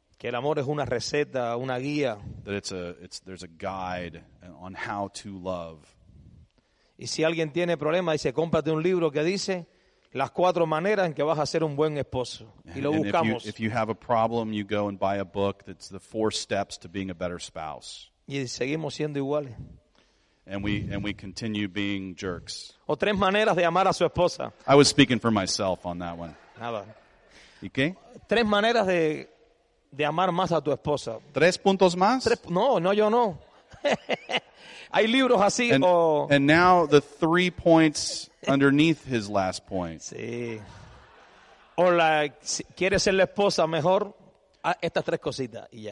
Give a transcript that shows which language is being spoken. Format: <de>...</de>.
<es>Que el amor es una receta, una guía.</es> <en>That there's a guide on how to love.</en> <es>Y si alguien tiene problemas, dice, cómprate un libro que dice las cuatro maneras en que vas a ser un buen esposo. Y lo buscamos.</es> <en>If you have a problem, you go and buy a book that's the four steps to being a better spouse.</en> <es>Y seguimos siendo iguales.</es> <en>And we continue being jerks.</en> <es>O tres maneras de amar a su esposa.</es> <en>I was speaking for myself on that one.</en> <es>Nada. ¿Y qué? Tres maneras de amar más a tu esposa. ¿Tres puntos más? No. Hay libros así,</es> <en>and now the three points underneath his last point.</en> <es>Sí. O la, si quieres ser la esposa mejor, estas tres cositas y ya.</es>